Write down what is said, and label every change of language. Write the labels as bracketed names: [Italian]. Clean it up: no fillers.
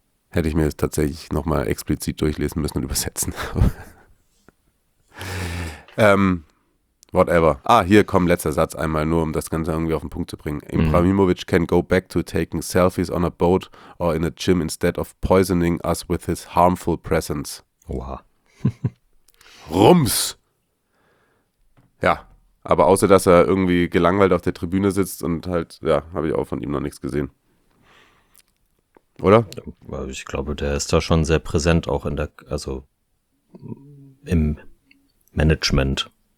[German] Hätte ich mir das tatsächlich nochmal explizit durchlesen müssen und übersetzen. whatever. Hier kommt letzter Satz einmal, nur um das Ganze irgendwie auf den Punkt zu bringen. [English] Ibrahimovic can go back to taking selfies on a boat or in a gym instead of poisoning us with his harmful presence. [German] Oha. Rums! Ja. Aber außer, dass er irgendwie gelangweilt auf der Tribüne sitzt und halt, habe ich auch von ihm noch nichts gesehen. Oder? Ich glaube, der ist da schon sehr präsent, auch in der, also im Management.